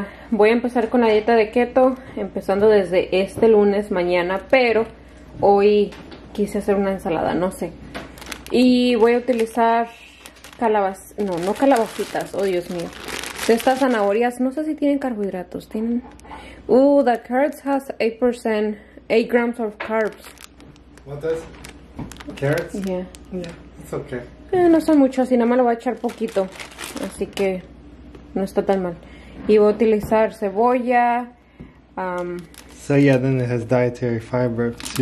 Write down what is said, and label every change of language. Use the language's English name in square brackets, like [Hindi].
[Spanish] Voy a empezar con la dieta de keto, empezando desde este lunes mañana, pero hoy quise hacer una ensalada, no sé. Y voy a utilizar calabacitas, oh Dios mío. Estas zanahorias, no sé si tienen carbohidratos, tienen... [English] the carrots has 8%, 8 grams of carbs. What does? Carrots? Yeah. It's okay. [Spanish] No son mucho, así nada más lo voy a echar poquito. Así que no está tan mal. Y voy a utilizar cebolla. [English] So yeah, then it has dietary fiber too.